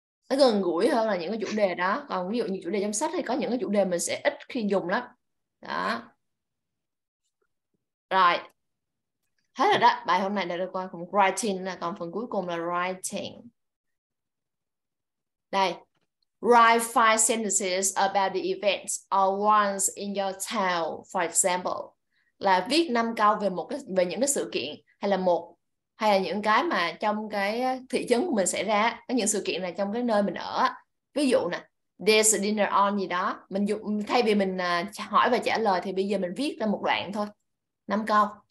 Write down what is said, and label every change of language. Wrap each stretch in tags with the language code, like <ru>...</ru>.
<vi>Nó gần gũi hơn là những cái chủ đề đó. Còn ví dụ như chủ đề trong sách thì có những cái chủ đề mình sẽ ít khi dùng lắm. Đó. Rồi. Hết rồi đó. Bài hôm nay đã được qua phần writing là còn phần cuối cùng là writing. Đây.</vi> <en>Write five sentences about the events or once in your town, for example.</en> <vi>Là viết năm câu về một cái về những cái sự kiện hay là một hay là những cái mà trong cái thị trấn của mình xảy ra, có những sự kiện là trong cái nơi mình ở. Ví dụ nè,</vi> <en>there's a dinner on</en> <vi>gì đó, mình dùng thay vì mình hỏi và trả lời thì bây giờ mình viết ra một đoạn thôi. Năm câu.</vi>